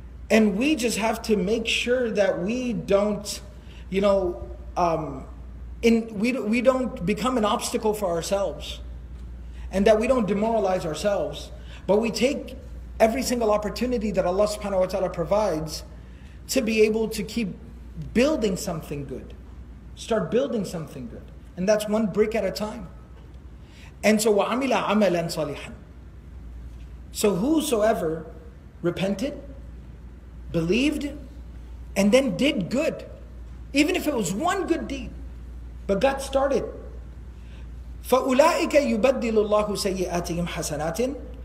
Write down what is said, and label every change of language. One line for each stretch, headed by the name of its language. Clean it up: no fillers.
English: And we just have to make sure that we don't, you know, we don't become an obstacle for ourselves, and that we don't demoralize ourselves, but we take every single opportunity that Allah subhanahu wa ta'ala provides to be able to keep building something good. Start building something good. And that's one brick at a time. And so,
Arabic: وَعَمِلَ عَمَلًا صَلِحًا.
English: So whosoever repented, believed, and then did good, even if it was one good deed, but got started.
Arabic: فَأُولَٰئِكَ يُبَدِّلُ اللَّهُ سَيِّئَاتِهِمْ حَسَنَاتٍ.